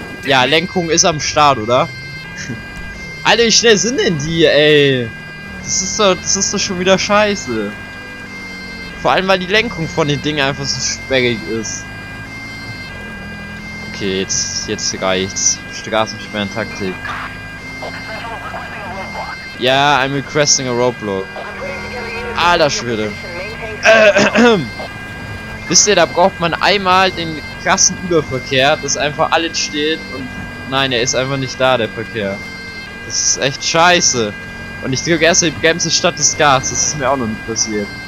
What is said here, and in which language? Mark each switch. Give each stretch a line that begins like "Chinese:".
German: Ja, Lenkung ist am Start, oder? Alter, wie schnell sind denn die, ey? Das ist doch schon wieder scheiße. Vor allem, weil die Lenkung von den Dingen einfach so sperrig ist. Okay, jetzt reicht's. Straßensperren-Taktik.
English: Ja, yeah, I'm requesting a roadblock.
German: Alter Schwede. Wisst ihr, da braucht man einmal den krassen Überverkehr, dass einfach alles steht und. Nein, er ist einfach nicht da, der Verkehr. Das ist echt scheiße. Und ich drücke erst die Bremse statt des Gas. Das ist mir auch noch nicht passiert.